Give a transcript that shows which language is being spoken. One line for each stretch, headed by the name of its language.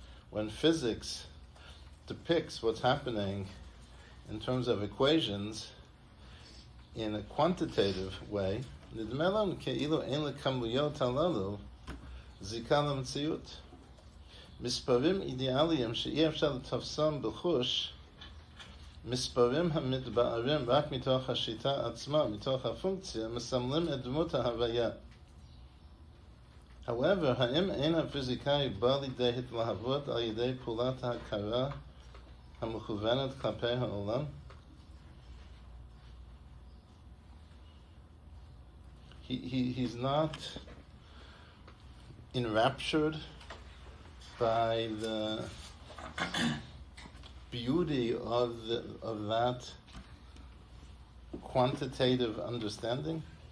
English: when physics depicts what's happening in terms of equations in a quantitative way,
Hebrew: nidme lanu keilo ein lekamuyot halalu זיקה למציאות. מספרים אידיאליים שאי אפשר לתפסם בחוש, מספרים המתבארים רק מתוך השיטה עצמה, מתוך הפונקציה, מסמלים את דמות ההוויה. However, האם אין הפיזיקאי בא לידי התלהבות על ידי פעולת ההכרה המכוונת כלפי העולם?
English: He's not enraptured by the beauty of that quantitative understanding.